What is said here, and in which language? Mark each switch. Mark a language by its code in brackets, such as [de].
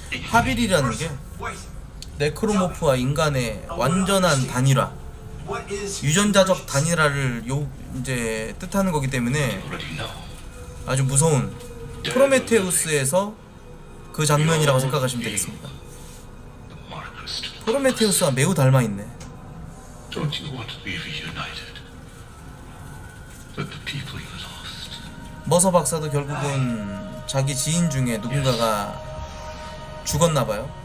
[ko] 하빌이라는 게 네크로모프와 인간의 완전한 단일화, 유전자적 단일화를 요 이제 뜻하는 거기 때문에 아주 무서운 프로메테우스에서 그 장면이라고 생각하시면 되겠습니다. 프로메테우스와 매우 닮아 있네. [en] Don't you want to be reunited with the people you lost? [ko] 머서 박사도 결국은 자기 지인 중에 누군가가 죽었나 봐요.